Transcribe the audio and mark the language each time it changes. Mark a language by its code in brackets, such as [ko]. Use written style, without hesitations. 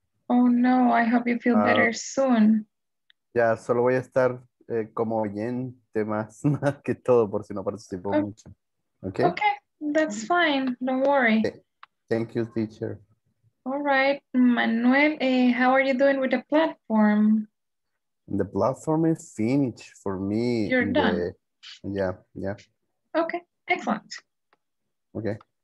[en] Oh no, I hope you feel better soon. [es] Ya, solo voy a estar como oyente más que todo por si no participo mucho. [en] Okay? Okay, that's fine. Don't worry. Thank you, teacher. All right, Manuel, how are you doing with the platform? The platform is finished for me. You're done. Yeah. Okay, excellent. Okay.